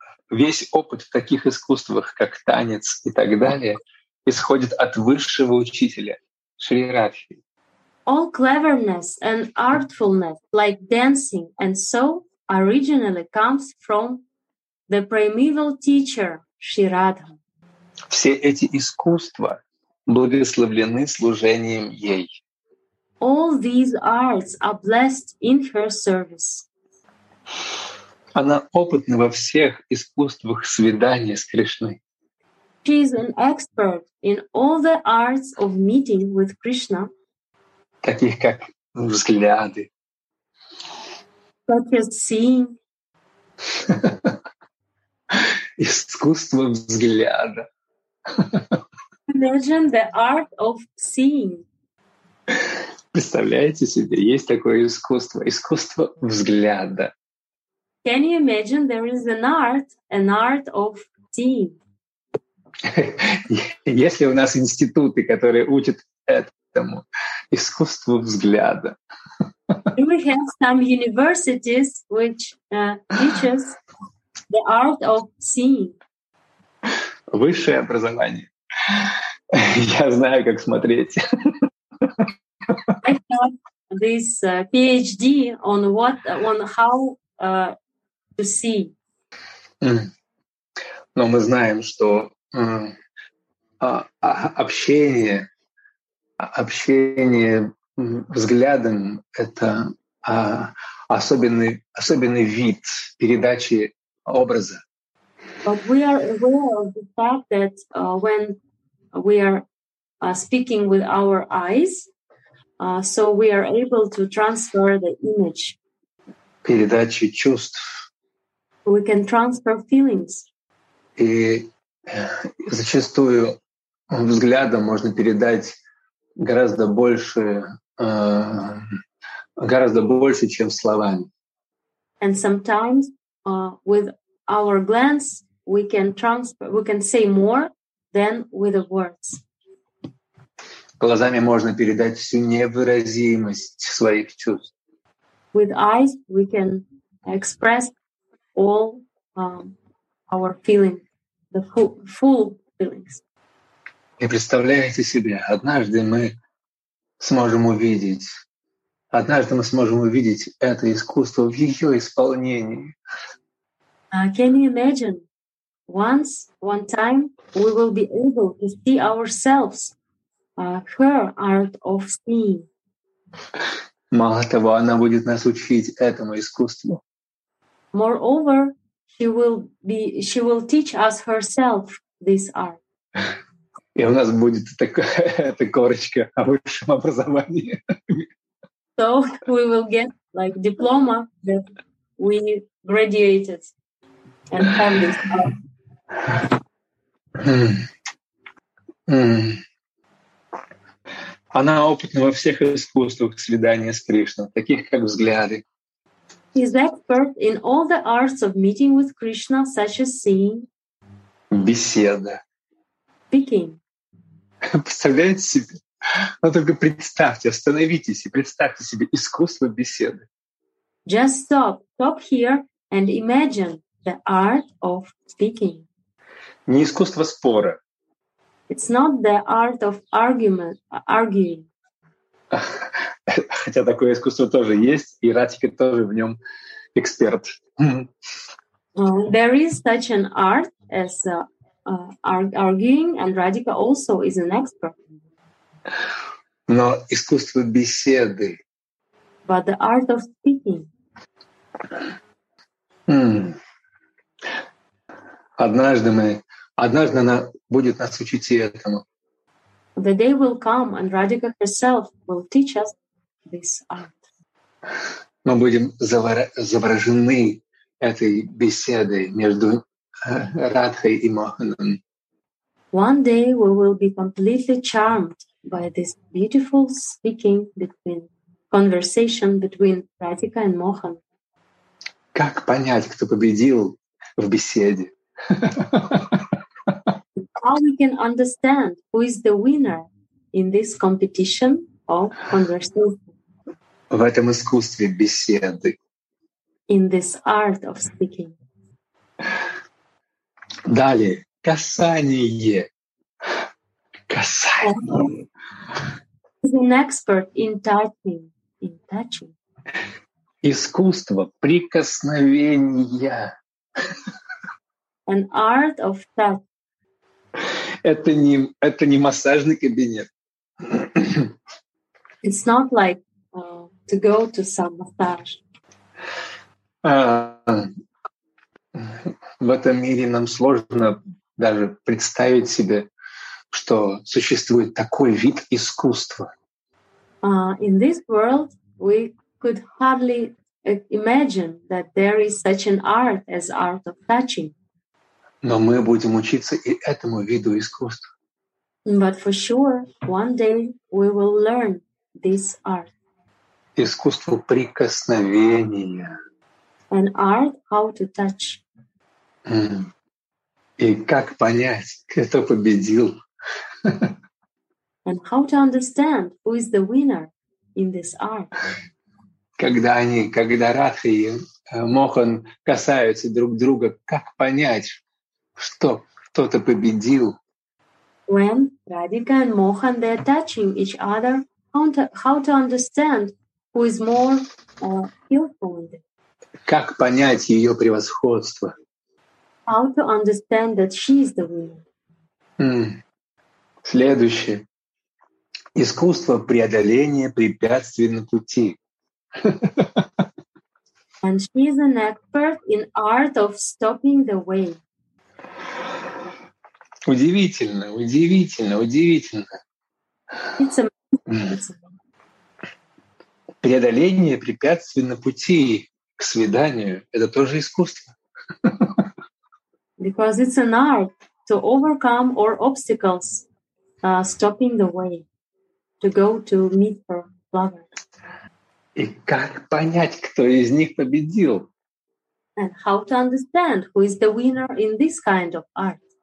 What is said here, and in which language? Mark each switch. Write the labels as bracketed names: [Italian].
[Russian] весь опыт в таких искусствах, как танец и так далее, исходит от высшего учителя Шри Радхи. [English] All cleverness and artfulness, like dancing and so, originally comes from the primeval teacher Shri Radha. [Russian] Все эти искусства благословлены служением ей. [English] All these arts are blessed in her service. [Russian] Она опытна во всех искусствах свидания с Кришной. [English] She is an expert in all the arts of meeting with Krishna. [Russian] Таких как взгляды. [English] Such as seeing. [Russian] Искусство взгляда. [English] Imagine the art of seeing. [Russian] Представляете себе, есть такое искусство, искусство взгляда. [English] Can you imagine there is an art of seeing? [Russian] Есть ли у нас институты, которые учат этому, искусству взгляда? [English] Do we have some universities which teaches the art of seeing? [Russian] Высшее образование. Я знаю, как смотреть. [English] I have this PhD on what, on how to see. [Russian] Но мы знаем, что общение взглядом — это особенный вид передачи образа. [English] But we are aware of the fact that when we are speaking with our eyes, so we are able to transfer the image. [Russian] Передачи чувств. [English] We can transfer feelings. [Russian] И зачастую взглядом можно передать гораздо больше, чем словами. [English] And sometimes with our glance we can say more than with the words. [Russian] Глазами можно передать всю невыразимость своих чувств. [English] With eyes we can express all our feelings, the full feelings. [Russian] И представляете себе, однажды мы сможем увидеть это искусство в ее исполнении. [English] Can you imagine? One time we will be able to see ourselves. Her art of seeing. [Russian] Мало того, она будет нас учить этому искусству. [English] Moreover, she will teach us herself this art. [Russian] И у нас будет эта корочка о высшем образовании. [English] So we will get like diploma that we graduated. and family as well. [Russian] Она опытна во всех искусствах свидания с Кришной, таких как взгляды. [English] Is expert in all the arts of meeting with Krishna, such as seeing. [Russian] Беседа. [English] Speaking. [Russian] Представляете себе? Но только представьте, остановитесь и представьте себе искусство беседы. [English] Just stop. Stop here and imagine the art of speaking. [Russian] Не искусство спора. [English] It's not the art of argument, arguing. [Russian] Хотя такое искусство тоже есть, и Радхика тоже в нем эксперт. [English] There is such an art as arguing, and Radhika also is an expert. [Russian] Но искусство беседы. [English] But the art of speaking. [Russian] Однажды она будет нас учить и этому. [English] The day will come, and Radhika herself will teach us this art. [Russian] Мы будем заворожены этой беседой между Радхой и Моханом. [English] One day we will be completely charmed by this beautiful speaking between conversation between Radhika and Mohan. [Russian] Как понять, кто победил в беседе? [English] How we can understand who is the winner in this competition of conversation? [Russian] В этом искусстве беседы. [English] In this art of speaking. [Russian] Далее. Касание. Касание. [English] He's an expert in touching. In touching. [Russian] Искусство прикосновения. [English] An art of touch. [Russian] Это не массажный кабинет. [English] It's not like to go to some massage. [Russian] В этом мире нам сложно даже представить себе, что существует такой вид искусства. [English] In this world, we could hardly imagine that there is such an art as art of touching. [Russian] Но мы будем учиться и этому виду искусства. [English] But for sure, one day we will learn this art. [Russian] Искусство прикосновения. [English] An art how to touch. [Russian] И как понять, кто победил? [English] And how to understand who is the winner in this art? [Russian] Когда Радха и Мохан касаются друг друга, как понять, что кто-то победил? [English] When Radhika and Mohan they're touching each other, how to understand who is more skillful? [Russian] Как понять ее превосходство? [English] How to understand that she is the winner? [Russian] Следующее. Искусство преодоления препятствий на пути. [English] And she is an expert in art of stopping the way. [Russian] Удивительно, удивительно, удивительно. [English] It's amazing. [Russian] Преодоление препятствий на пути к свиданию — это тоже искусство. [English] Because it's an art to overcome our obstacles, stopping the way to go to meet her lover. [Russian] И как понять, кто из них победил? [English] And how to understand who is the winner in this kind of art?